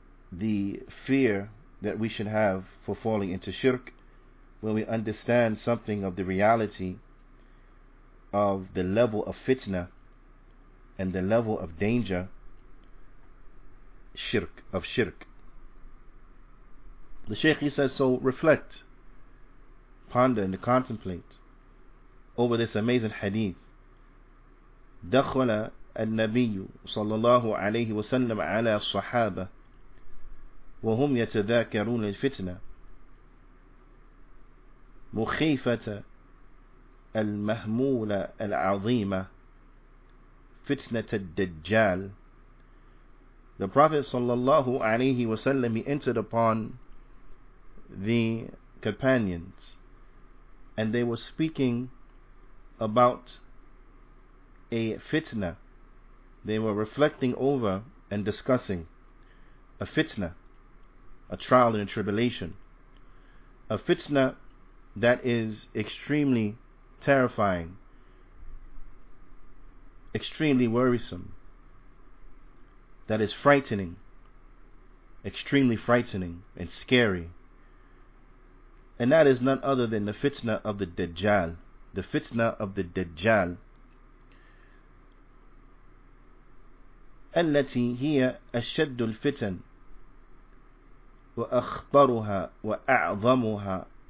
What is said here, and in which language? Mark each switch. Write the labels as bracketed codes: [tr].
[en] the fear that we should have for falling into shirk when we understand something of the reality of the level of fitna and the level of danger of shirk. The Shaykh, he says, so reflect, ponder and contemplate over this amazing hadith. [ar] دخل النبي صلى الله عليه وسلم على الصحابة وهم يتذاكرون الفتنة مخيفة المهمولة العظيمة فتنة الدجال. [en] The Prophet sallallahu alayhi wasallam, he entered upon the companions and they were speaking about a fitna. They were reflecting over and discussing a fitna, a trial and a tribulation, a fitna that is extremely terrifying, extremely worrisome, that is frightening, extremely frightening and scary. And that is none other than the fitna of the Dajjal, the fitna of the Dajjal. [ar] التي هي أشد الفتن وأخطرها وأعظمها.